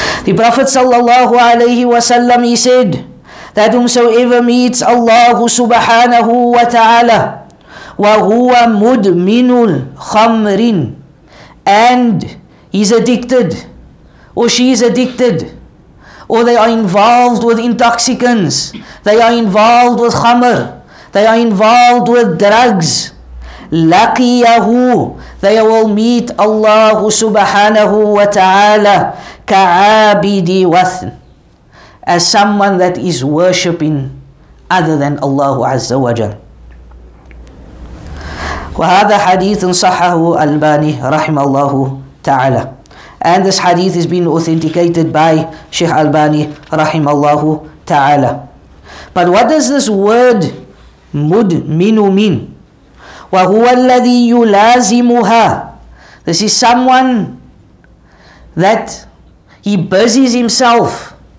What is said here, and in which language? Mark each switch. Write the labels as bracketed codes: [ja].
[en] The Prophet sallallahu alayhi wa sallam, he said that whomsoever meets Allah subhanahu wa ta'ala [ar] وَهُوَ مُدْمِنُ الْخَمْرٍ [en] And he's addicted, or she is addicted, or they are involved with intoxicants, they are involved with khamr, they are involved with drugs. لَقِيَهُ They will meet Allah subhanahu wa ta'ala [ar] كَعَابِدِ وَثْن [en] As someone that is worshipping other than Allah Azza wa Jal. [ar] وهذا حديث صححه الألباني رحمه الله تعالى. [en] And this hadith has been authenticated by Sheikh Albani [ar] رحمه الله تعالى. [en] But what does this word مدمن mean? [ar] وهو الذي يلازمها. [en] This is someone that he busies himself